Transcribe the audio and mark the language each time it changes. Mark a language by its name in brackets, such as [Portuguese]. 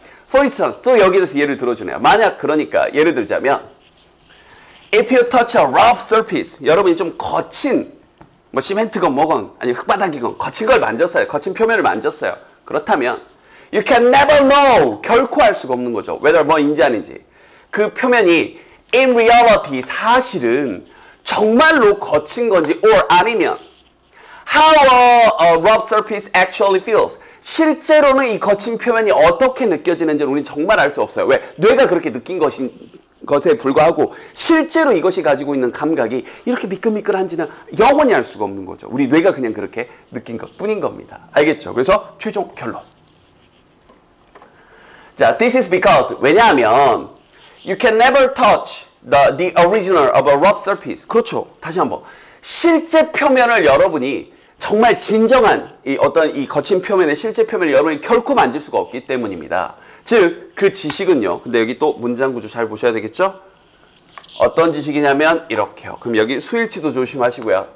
[English] For instance, [Korean] 또 여기에서 예를 들어주네요. 만약 그러니까 예를 들자면 [English] If you touch a rough surface, [Korean] 여러분이 좀 거친, 뭐 시멘트건 뭐건, 아니면 흙바닥이건 거친 걸 만졌어요. 거친 표면을 만졌어요. 그렇다면 [English] you can never know, [Korean] 결코 알 수가 없는 거죠. whether 뭐인지 아닌지. 그 표면이 [English] in reality, [Korean] 사실은 정말로 거친 건지 [English] or [Korean] 아니면 [English] how a rough surface actually feels. [Korean] 실제로는 이 거친 표면이 어떻게 느껴지는지는 우리는 정말 알 수 없어요. 왜? 뇌가 그렇게 느낀 것인 것에 불과하고 실제로 이것이 가지고 있는 감각이 이렇게 미끌미끌한지는 영원히 알 수가 없는 거죠. 우리 뇌가 그냥 그렇게 느낀 것뿐인 겁니다. 알겠죠? 그래서 최종 결론. [English] 자, this is because [Korean] 왜냐하면 [English] you can never touch the original of a rough surface. [Korean] 그렇죠. 다시 한번 실제 표면을 여러분이 정말 진정한 이 어떤 이 거친 표면의 실제 표면을 여러분이 결코 만질 수가 없기 때문입니다. 즉, 그 지식은요. 근데 여기 또 문장 구조 잘 보셔야 되겠죠? 어떤 지식이냐면 이렇게요. 그럼 여기 수일치도 조심하시고요.